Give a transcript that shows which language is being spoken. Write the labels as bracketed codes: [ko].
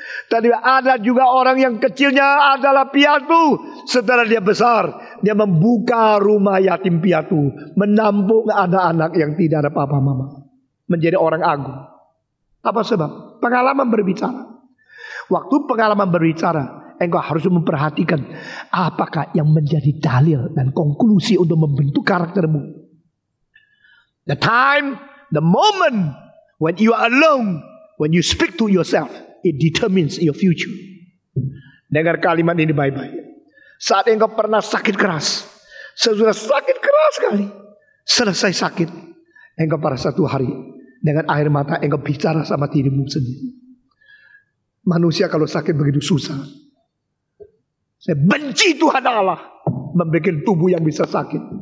[id] Tapi ada juga orang yang kecilnya adalah piatu, setelah dia besar, dia membuka rumah yatim piatu, menampung anak-anak yang tidak ada papa mama, menjadi orang agung. Apa sebab? Pengalaman berbicara. Waktu pengalaman berbicara, engkau harus memperhatikan apakah yang menjadi dalil dan konklusi untuk membentuk karaktermu. [en] The time, the moment when you are alone, when you speak to yourself, it determines your future. [id] Dengar kalimat ini baik-baik. Saat engkau pernah sakit keras, sesudah sakit keras sekali, selesai sakit, engkau pada satu hari dengan air mata engkau bicara sama dirimu sendiri. Manusia kalau sakit begitu susah. Saya benci Tuhan Allah membuat tubuh yang bisa sakit.